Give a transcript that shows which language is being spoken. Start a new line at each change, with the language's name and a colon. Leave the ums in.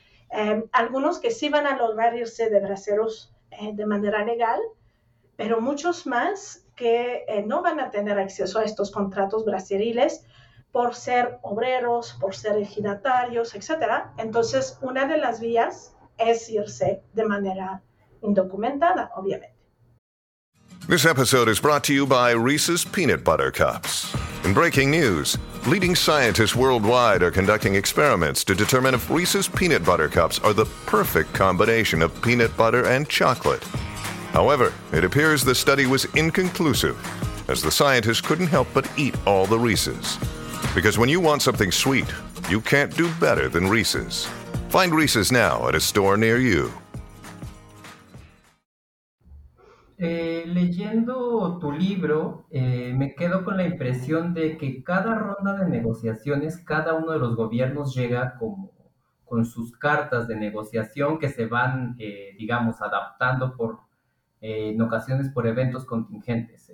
Spanish: Eh, algunos que sí van a lograr irse de braceros de manera legal, pero muchos más que no van a tener acceso a estos contratos braceriles, por ser obreros, por ser ejidatarios, etc. Entonces, una de las vías es irse de manera indocumentada, obviamente.
English: This episode is brought to you by Reese's Peanut Butter Cups. In breaking news, leading scientists worldwide are conducting experiments to determine if Reese's Peanut Butter Cups are the perfect combination of peanut butter and chocolate. However, it appears the study was inconclusive, as the scientists couldn't help but eat all the Reese's. Because when you want something sweet, you can't do better than Reese's. Find Reese's now at a store near you.
Spanish: Eh, leyendo tu libro, eh, me quedo con la impresión de que cada ronda de negociaciones, cada uno de los gobiernos llega con, con sus cartas de negociación que se van, eh, digamos, adaptando por en ocasiones por eventos contingentes.